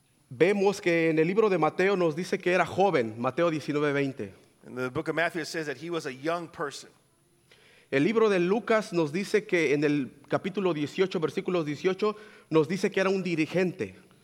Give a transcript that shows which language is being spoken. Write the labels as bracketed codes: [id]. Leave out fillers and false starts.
[es] Vemos que en el libro de Mateo nos dice que era joven. Mateo 19:20. [en] In the book of Matthew it says that he was a young person. [es] El libro de Lucas nos dice que en el capítulo 18, versículos 18, nos dice que era un dirigente.